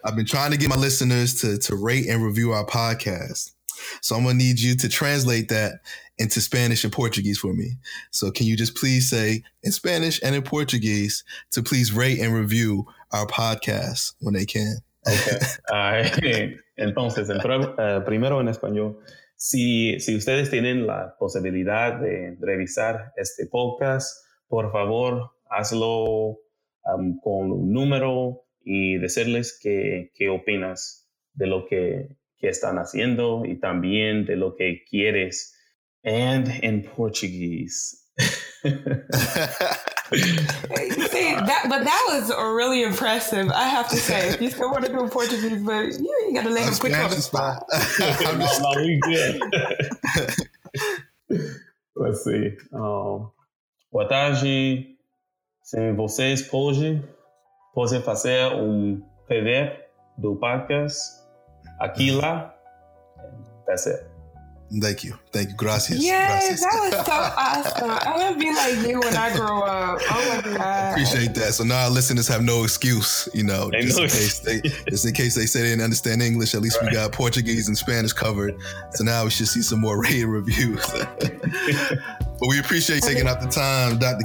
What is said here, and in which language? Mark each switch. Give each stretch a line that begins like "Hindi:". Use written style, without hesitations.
English: I've been trying to get my listeners to rate and review our podcast. So I'm going to need you to translate that into Spanish and Portuguese for me. So can you just please say in Spanish and in Portuguese to please rate and review our podcast when they can? Okay.
Spanish: Entonces, primero en español, si ustedes tienen la posibilidad de revisar este podcast, por favor, hazlo con un número y decirles qué opinas de lo que están haciendo y también de lo que quieres.
English: And in Portuguese. See, that was really impressive, I have to say. If you still want to do Portuguese, but you ain't got to let him quit on the spot. I'm just not really good. Let's see.
Portuguese: Boa tarde. Se vocês podem fazer rever do podcast aqui lá.
English: That's it. Thank you. Thank you. Gracias. Yes, gracias. That was so awesome. I'm going to be like you when I grow up. Oh, my God. Appreciate that. So now our listeners have no excuse, you know, just in case they say they didn't understand English, at least right. We got Portuguese and Spanish covered. So now we should see some more rated reviews. But we appreciate taking out the time, Dr.